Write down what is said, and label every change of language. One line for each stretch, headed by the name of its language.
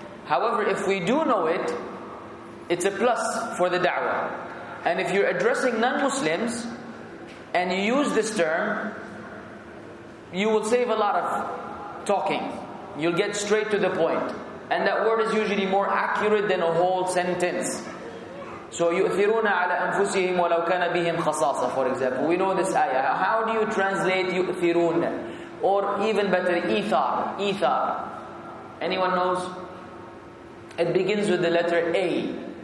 English: However, if we do know it, it's a plus for the da'wah. And if you're addressing non-Muslims and you use this term, you will save a lot of talking. You'll get straight to the point. And that word is usually more accurate than a whole sentence.
Arabic: So يؤثرون على أنفسهم ولو كان بهم خصاصة,
English: for example. We know this ayah. How do you translate
Arabic: يؤثرون?
English: Or even better,
Arabic: إيثار.
English: إيثار. Anyone knows? It begins with the letter A.